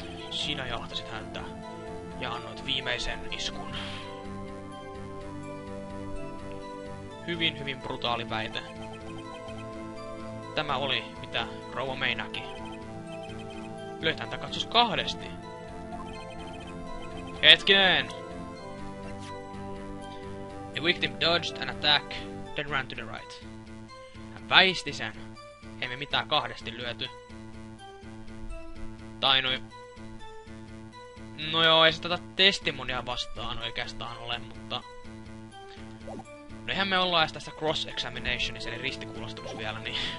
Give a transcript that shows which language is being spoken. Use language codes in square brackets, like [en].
[fi] Sinä jahtasit häntä. Ja annoit viimeisen iskun. Hyvin, hyvin brutaali väite. Tämä oli mitä rouva meinäki. Löit häntä katsos kahdesti. Hetkinen! [en] The victim dodged an attack, then ran to the right. [fi] Hän väisti sen. Ei me mitään kahdesti lyöty. Tai noin. No joo, ei se tätä testimonia vastaan oikeastaan ole, mutta no eihän me olla edes tässä cross-examinationissa, eli ristikuulostelussa vielä, niin